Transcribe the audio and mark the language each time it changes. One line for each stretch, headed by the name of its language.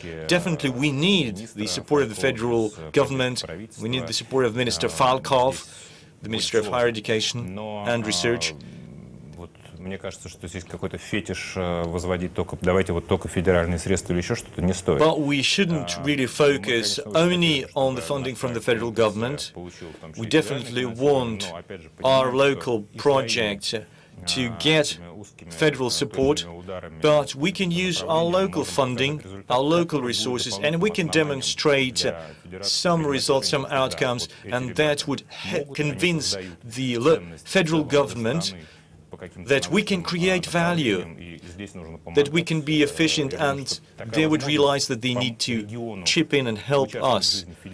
English: Definitely we need the support of the federal government, we need the support of Minister Falkov, the Minister of Higher Education and Research.
Russian: Мне кажется, что здесь какой-то фетиш возводить только давайте вот только федеральные средства или еще что-то не стоит.
English: But we shouldn't really focus only on the funding from the federal government. We definitely want our local project to get federal support, but we can use our local funding, our local resources, and we can demonstrate some results, some outcomes, and that would convince the federal government that we can create value, that we can be efficient, and they would realize that they need to chip in and help us.